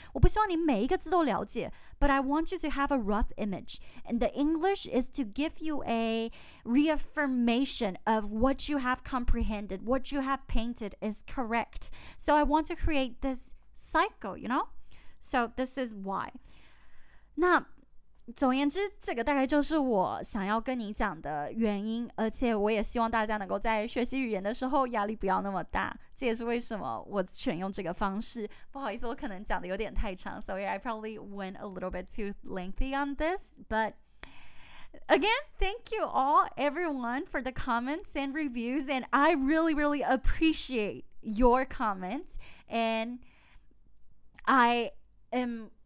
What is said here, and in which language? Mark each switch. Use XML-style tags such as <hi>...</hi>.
<zh>我不希望你每一个字都了解,</zh> <en>but I want you to have a rough image. And the English is to give you a reaffirmation of what you have comprehended, what you have painted is correct. So I want to create this cycle, you know? So this is why.</en> <zh>那总而言之，这个大概就是我想要跟你讲的原因，而且我也希望大家能够在学习语言的时候压力不要那么大，这也是为什么我选用这个方式。不好意思，我可能讲的有点太长，</zh> <en>so yeah, I probably went a little bit too lengthy on this, but again, thank you all, everyone, for the comments and reviews, and I really, really appreciate your comments, and I am...</en>